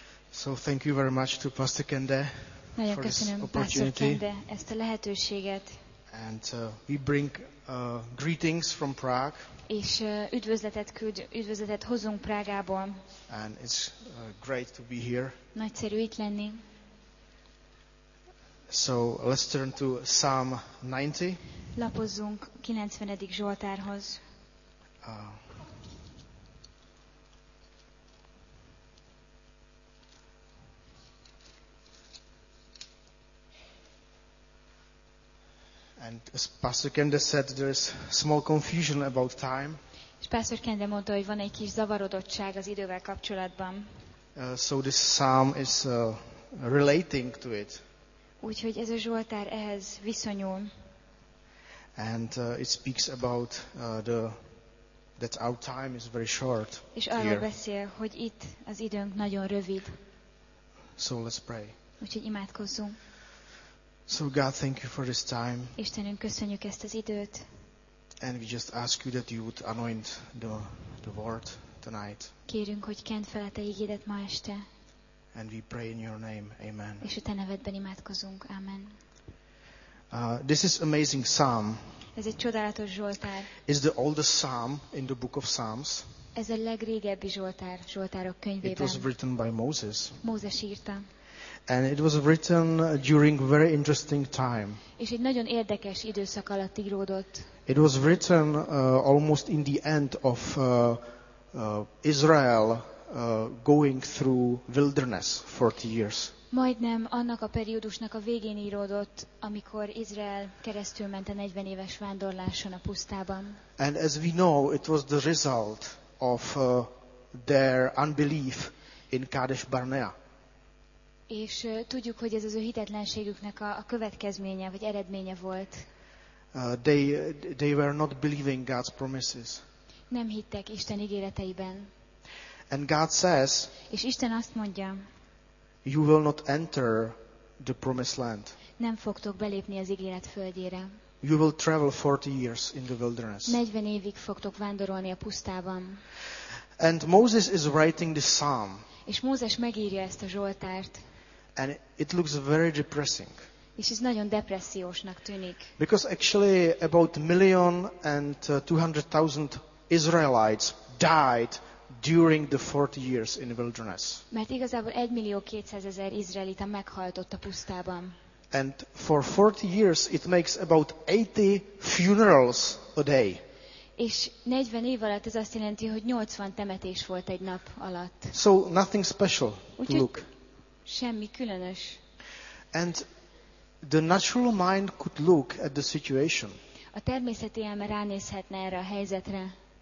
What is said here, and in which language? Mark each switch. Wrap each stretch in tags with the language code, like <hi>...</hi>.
<en>So thank you very much to Pastor Kende</en> <hu>nagyon</hu> <en>for</en> <hu>köszönöm,</hu> <en>this opportunity.</en> <hu>Pastor Kende, ezt a lehetőséget.</hu> <en>And we bring greetings from Prague.</en> <hu>És üdvözletet hozunk Prágából.</hu> <en>And it's great to be here.</en> <hu>Nagyszerű itt lenni.</hu> <en>So let's turn to Psalm 90.</en> <hu>Lapozzunk 90. Zsoltárhoz.</hu> <en>And as Pastor Kende said, there's small confusion about time.</en> <hu>És Pastor Kende mondta, hogy van egy kis zavarodottság az idővel kapcsolatban.</hu> <en>So this psalm is relating to it.</en> <hu>Úgyhogy ez a zsoltár ehhez viszonyul.</hu> <en>And it speaks about that our time is very short.</en> <hu>És arról beszél, hogy itt az időnk nagyon rövid.</hu> <en>So let's pray.</en> <hu>Úgyhogy imádkozzunk.</hu> <en>So God, thank you for this time.</en> <hu>Istenünk, köszönjük ezt az időt.</hu> <en>And we just ask you that you would anoint the word tonight.</en> <hu>Kérünk, hogy kent fel a te ígédet ma este.</hu> <en>And we pray in your name, amen.</en> <hu>És a te nevedben imádkozunk, amen.</hu> <en>This is amazing psalm.</en> <hu>Ez egy csodálatos zsoltár.</hu> <en>It's the oldest psalm in the book of Psalms.</en> <hu>Ez a legrégebbi zsoltár, zsoltárok könyvében.</hu> <en>It was written by Moses.</en> <hu>Mózes írta.</hu> <en>And it was written during a very interesting time.</en> <hu>És egy nagyon érdekes időszak alatt íródott.</hu> <en>It was written almost in the end of Israel going through wilderness 40 years.</en> <hu>Majdnem annak a periódusnak a végén íródott, amikor Izrael keresztül ment a 40 éves vándorláson a pusztában.</hu> <en>And as we know, it was the result of their unbelief in Kadesh Barnea.</en> <hu>És tudjuk, hogy ez az ő hitetlenségüknek a következménye vagy eredménye volt.</hu> <en>They were not believing God's promises.</en> <hu>Nem hittek Isten ígéreteiben.</hu> <en>And God says,</en> <hu>és Isten azt mondja,</hu> <en>you will not enter the promised land.</en> <hu>Nem fogtok belépni az ígéret földjére.</hu> <en>You will travel 40 years in the wilderness.</en> <hu>40 évig fogtok vándorolni a pusztában.</hu> <en>And Moses is writing this psalm.</en> <hu>És Mózes megírja ezt a zsoltárt.</hu> <en>And it looks very depressing.</en> <hu>És ez nagyon depressziósnak tűnik.</hu> <en>Because actually about 1,200,000 Israelites died during the 40 years in the wilderness.</en> <hu>Mert igazából 1,200,000 izraelita meghalt ott a pusztában.</hu> <en>And for 40 years it makes about 80 funerals a day.</en> <hu>És 40 év alatt ez azt jelenti, hogy 80 temetés volt egy nap alatt.</hu> <en>So nothing special to look.</en> <hu>Semmi különös.</hu> <en>And the natural mind could look at the situation.</en> <hu>A természeti elme ránézhetne erre a helyzetre.</hu>